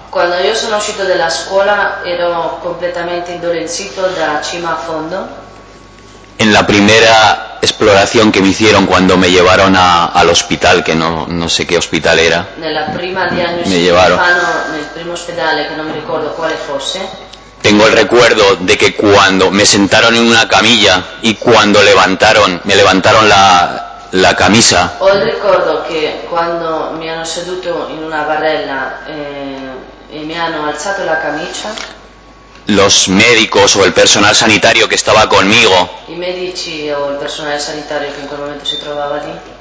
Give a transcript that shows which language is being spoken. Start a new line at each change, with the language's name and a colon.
Spanish: Cuando yo
Italian: sono uscito dalla scuola ero completamente indolorito da cima a fondo.
Spanish: En la primera exploración que me hicieron cuando me llevaron al hospital, que no sé qué hospital era.
Italian: Nella prima diagnosi
Spanish: me llevaron.
Italian: Nel primo ospedale che non mi ricordo quale fosse.
Spanish: Tengo el recuerdo de que cuando me sentaron en una camilla y cuando me levantaron la camisa.
Italian: Ho il ricordo che quando mi hanno seduto in una barella e mi hanno alzato la camicia.
Spanish: Los médicos o el personal sanitario que estaba conmigo.
Italian: I medici o il personale sanitario che in quel momento si trovava lì.